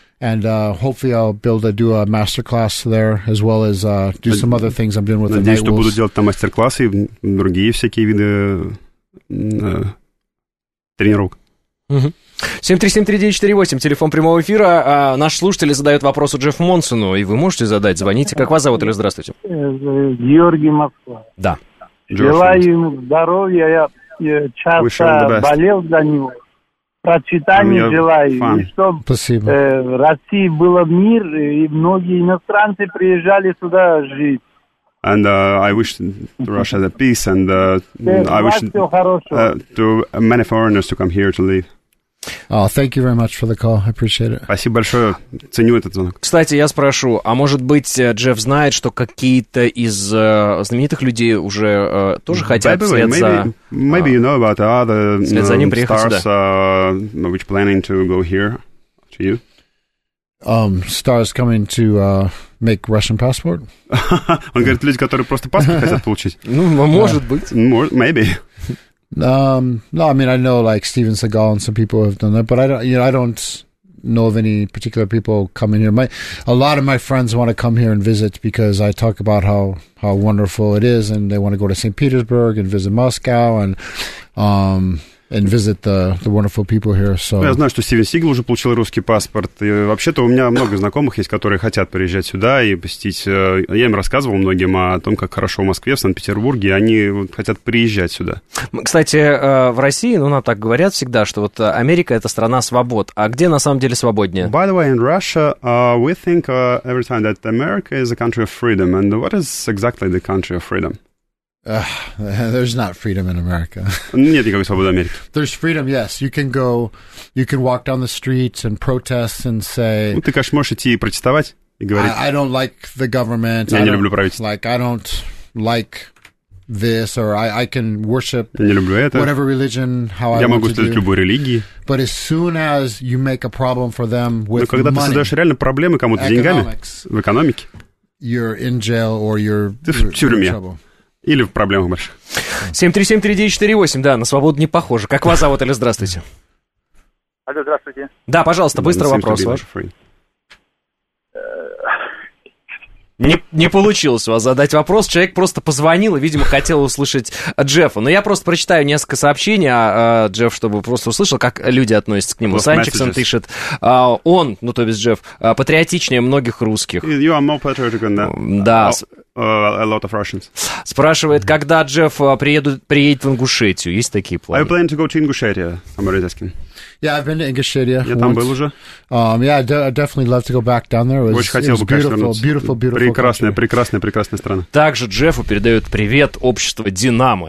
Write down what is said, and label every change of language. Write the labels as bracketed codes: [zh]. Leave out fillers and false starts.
[en] And hopefully I'll be able to do a masterclass there, as well as do some other things I'm doing with [ru] Надеюсь, [en] the Night Wolves. [ru] Надеюсь, что буду делать там мастер-классы и другие всякие виды тренировок. Mm-hmm. 7373948, телефон прямого эфира. Наш слушатель задает вопрос у Джеффу Монсону, и вы можете задать, звоните. Как вас зовут или здравствуйте? Георгий, Москва. Да. Желаю ему здоровья, я часто болел за него. Прочитание желаю, чтобы в России был мир, и многие иностранцы приезжали сюда жить. [en] And I wish Russia the peace, and I wish to many foreigners to come here to live. Oh, thank you very much for the call, I appreciate it. [ru] Спасибо большое, ценю этот звонок. Кстати, я спрошу, а может быть Джефф знает, что какие-то из знаменитых людей уже тоже хотят вслед за... [en] Maybe you know about other stars which planning to go here to you. Stars coming to make Russian passport. [ru] Он говорит, люди, которые просто паспорт хотят получить. Ну, может быть. [en] Maybe. No, I mean, I know, like, Steven Seagal and some people have done that, but I don't, know of any particular people coming here. A lot of my friends want to come here and visit because I talk about how wonderful it is, and they want to go to St. Petersburg and visit Moscow and visit the wonderful people here. So. [ru] Я знаю, что Стивен Сигал уже получил русский паспорт. И вообще-то у меня много знакомых есть, которые хотят приезжать сюда и посетить. Я им рассказывал многим о том, как хорошо в Москве, в Санкт-Петербурге, и они вот хотят приезжать сюда. Кстати, в России, ну, нам так говорят всегда, что вот Америка — это страна свобод. А где на самом деле свободнее? [en] By the way, in Russia, we think every time that America is a country of freedom. And what is exactly the country of freedom? There's not freedom in America. [ru] Нет никакой свободы в Америке. [en] There's freedom, yes. You can go, you can walk down the streets and protest and say... [ru] Ну, ты, конечно, можешь идти и протестовать и говорить... [en] I don't like the government. [ru] Я не люблю правительство. [en] Like, I don't like this, or I can worship... [ru] Я не люблю это. [en] Whatever religion, how to do. [ru] Я могу следовать любой религии. [en] But as soon as you make a problem for them with [ru] money... Но когда [en] money, [ru] ты создаешь реально проблемы кому-то с деньгами, в экономике... [en] You're in jail, or you're... [ru] Ты в тюрьме. Или в проблемах больше. 7373948, да, на свободу не похоже. Как вас зовут, или здравствуйте? Алло, здравствуйте. Да, пожалуйста, быстро вопрос ваш. Не получилось вас задать вопрос. Человек просто позвонил и, видимо, хотел услышать Джеффа. Но я просто прочитаю несколько сообщений, Джефф, чтобы просто услышал, как люди относятся к нему. Санчексон пишет. Он, ну то есть Джефф, патриотичнее многих русских. [en] You are more patriotic than a lot of Russians. [ru] Спрашивает, когда Джефф приедет в Ингушетию. Есть такие планы? [en] I plan to go to Ingushetia. Somebody's asking. Yeah, I've been to Ingushetia. [ru] Я там был уже. [en] I definitely love to go back down there. It was, [ru] очень хотел бы, конечно, вернуться. [en] Beautiful, beautiful, beautiful. [ru] Прекрасная страна. Также Джеффу передают привет общество Динамо.